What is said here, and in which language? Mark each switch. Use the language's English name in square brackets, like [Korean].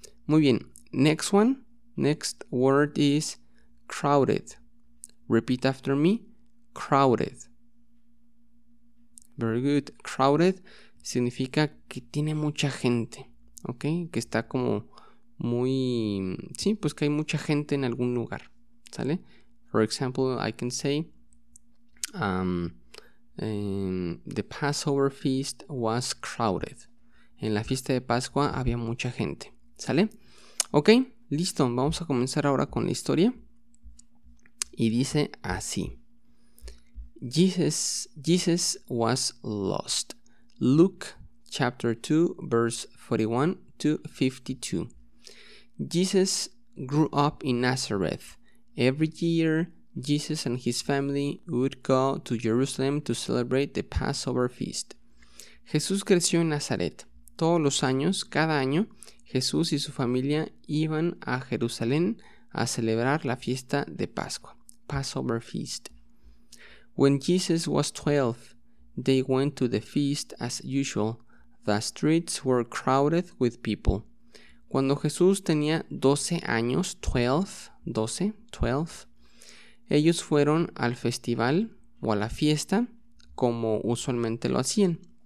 [Spanish] Muy bien, [English] next one. Next word is crowded. Repeat after me, crowded. Very good. [Spanish] Crowded significa que tiene mucha gente, ¿ok? Que está como muy... Sí, pues que hay mucha gente en algún lugar, ¿sale? [English] For example, I can say the Passover feast was crowded. [Spanish] En la fiesta de Pascua había mucha gente, ¿sale? Ok. Listo, vamos a comenzar ahora con la historia. Y dice así. [English] Jesus was lost. Luke chapter 2 verse 41 to 52. Jesus grew up in Nazareth. Every year, Jesus and his family would go to Jerusalem to celebrate the Passover feast. [Spanish] Jesús creció en Nazaret. Todos los años, cada año, Jesús y su familia iban a Jerusalén a celebrar la fiesta de Pascua, Passover Feast. [English] When Jesus was 12, they went to the feast as usual. The streets were crowded with people. [Spanish] Cuando Jesús tenía 12 años, 12, ellos fueron al festival o a la fiesta como usualmente lo hacían.